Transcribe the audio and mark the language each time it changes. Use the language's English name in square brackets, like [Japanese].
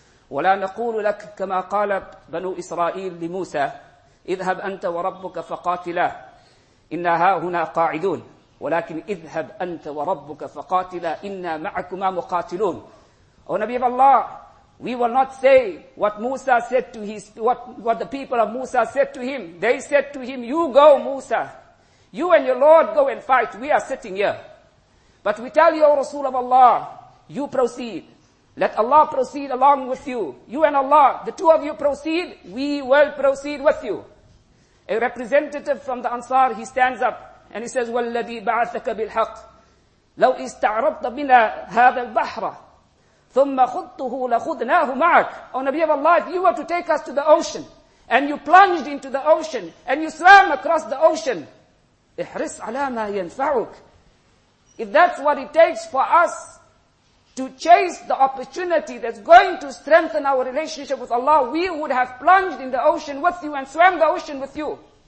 [Arabic] ولا نقول لك كما قال بنو إسرائيل لموسى اذهب أنت وربك فقاتلا إنا هاهنا قاعدون ولكن اذهب أنت وربك فقاتلا إنا معكما مقاتلون. [English] O Nabi of Allah, we will not say what Musa said to his, what the people of Musa said to him. They said to him, you go Musa. You and your Lord go and fight. We are sitting here. But we tell you, O Rasul of Allah, you proceed. Let Allah proceed along with you. You and Allah, the two of you proceed, we will proceed with you. A representative from the Ansar, he stands up and he says, [Arabic] وَالَّذِي بَعَثَكَ بِالْحَقِّ لَوْ إِسْتَعْرَضْتَ بِنَا هَذَا الْبَحْرَ ثُمَّ خُدْتُهُ لَخُدْنَاهُ مَعَكَ. [English] O Nabi of Allah, if you were to take us to the ocean and you plunged into the ocean and you swam across the ocean, [Arabic] إِحْرِصْ عَلَى مَا يَنْفَعُكَ. [English] If that's what it takes for us to chase the opportunity that's going to strengthen our relationship with Allah, we would have plunged in the ocean with you and swam the ocean with you.